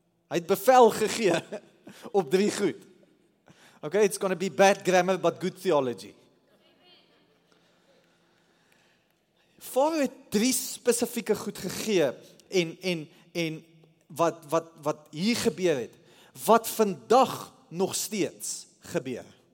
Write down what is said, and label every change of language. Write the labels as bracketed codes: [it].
[af] Hy het bevel gegee op drie goed. [en] Okay, it's gonna be bad grammar, but good theology. [af] Farao het drie spesifieke goed gegee, en wat hier gebeur het, wat vandag nog steeds gebeur.